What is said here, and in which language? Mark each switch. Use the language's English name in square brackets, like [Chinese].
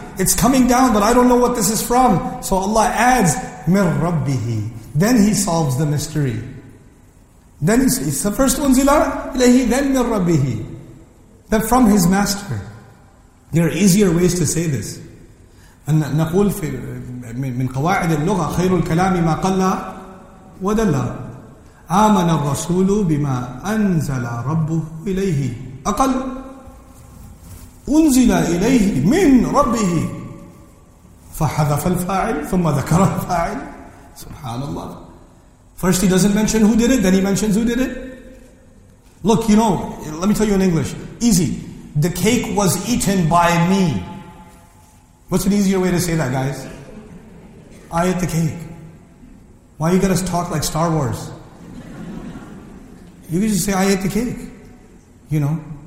[English] It's coming down, but I don't know what this is from. So Allah adds, مِنْ رَبِّهِ. Then he solves the mystery. Then it's the first unzila ilayhi, then مِنْ رَبِّهِ. Then from his master. There are easier ways to say this. [Arabic] And نقول في من قواعد اللغة خير الكلام ما قل ودل آمن الرسول بما أنزل ربه إليه أقل أنزل إليه من ربه فحذف الفاعل ثم ذكر الفاعل سبحان الله. [English] First he doesn't mention who did it, then he mentions who did it. Look, you know, let me tell you in English. Easy. The cake was eaten by me. What's an easier way to say that, guys? I ate the cake. Why you gotta talk like Star Wars? You can just say, I ate the cake. You know?